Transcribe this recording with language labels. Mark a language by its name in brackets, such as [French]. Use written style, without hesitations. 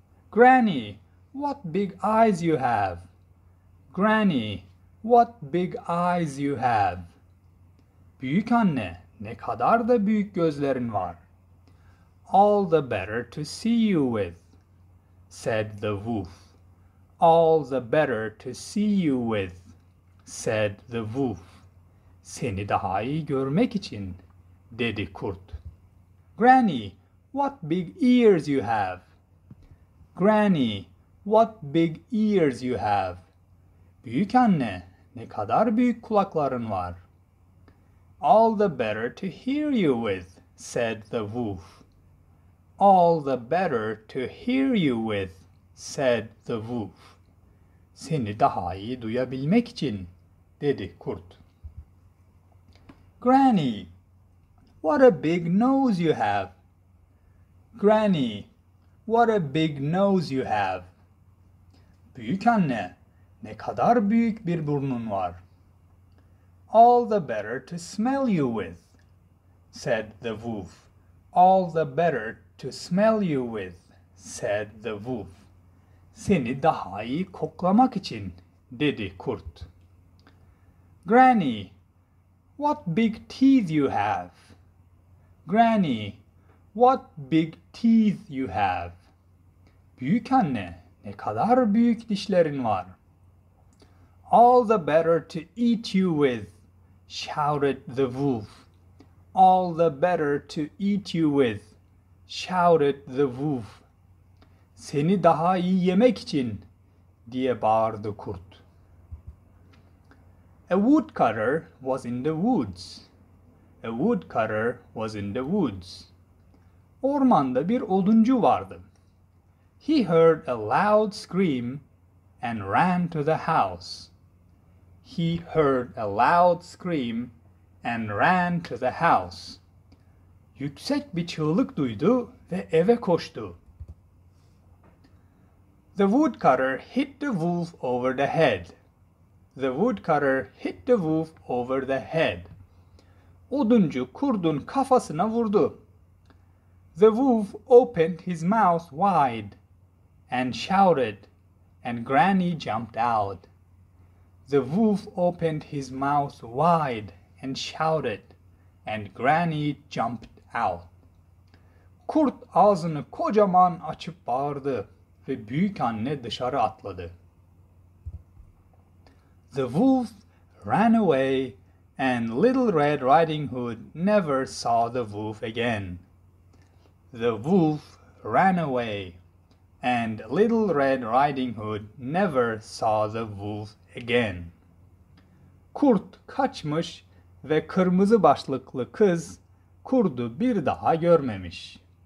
[English] Granny, what big eyes you have. Granny, what big eyes you have. [Turkish] Büyük anne, ne kadar da büyük gözlerin var. [English] All the better to see you with, said the wolf. All the better to see you with, said the wolf. [Turkish] Seni daha iyi görmek için, dedi kurt. [English] Granny, what big ears you have. Granny, what big ears you have. [Turkish] Büyük anne, ne kadar büyük kulakların var. [English] All the better to hear you with, said the wolf. All the better to hear you with, said the wolf. [Turkish] Seni daha iyi duyabilmek için, dedi kurt. [English] Granny, what a big nose you have. Granny, what a big nose you have. [Turkish] Büyük anne, ne kadar büyük bir burnun var. [English] All the better to smell you with, said the wolf. All the better to smell you with, said the wolf. [Turkish] Seni daha iyi koklamak için, dedi kurt. [English] Granny, what big teeth you have. Granny, what big teeth you have. [Turkish] Büyük anne, ne kadar büyük dişlerin var. [English] All the better to eat you with, shouted the wolf. All the better to eat you with, shouted the wolf. [Turkish] Seni daha iyi yemek için, diye bağırdı kurt. [English] A woodcutter was in the woods. A woodcutter was in the woods. [Turkish] Ormanda bir oduncu vardı. [English] He heard a loud scream and ran to the house. He heard a loud scream and ran to the house. [Turkish] Yüksek bir çığlık duydu ve eve koştu. [English] The woodcutter hit the wolf over the head. The woodcutter hit the wolf over the head. [Turkish] Oduncu kurdun kafasına vurdu. [English] The wolf opened his mouth wide and shouted, and Granny jumped out. The wolf opened his mouth wide and shouted, and Granny jumped out. [Turkish] Kurt ağzını kocaman açıp bağırdı ve büyük anne dışarı atladı. [English] The wolf ran away, and Little Red Riding Hood never saw the wolf again. The wolf ran away, and Little Red Riding Hood never saw the wolf again. [Turkish] Kurt kaçmış ve kırmızı başlıklı kız kurdu bir daha görmemiş.